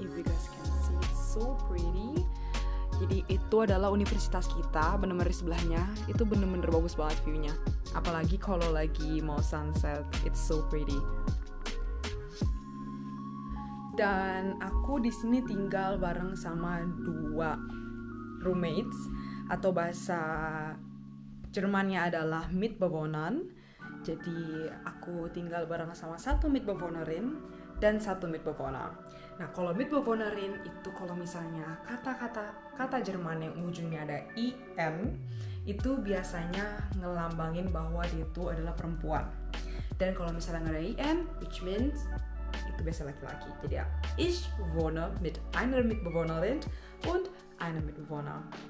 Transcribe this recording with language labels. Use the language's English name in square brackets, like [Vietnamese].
[English] If you guys can see, it's so pretty. [Indonesian] Jadi itu adalah universitas kita, bener-bener di sebelahnya, itu bener-bener bagus banget view-nya. Apalagi kalau lagi mau sunset, [English] it's so pretty. [Indonesian] Dan aku di sini tinggal bareng sama dua roommates, atau bahasa Jermannya adalah Mitbewohner. Jadi aku tinggal bareng sama satu Mitbewohnerin dan satu Mitbewohner. Nah, kalau Mitbewohnerin itu kalau misalnya kata-kata Jerman yang ujungnya ada IM, itu biasanya ngelambangin bahwa dia itu adalah perempuan. Dan kalau misalnya ada IM, [English] which means [Indonesian] gewisse laki-laki. Jadi ya, [German] ich wohne mit einer Mitbewohnerin und einem Mitbewohner.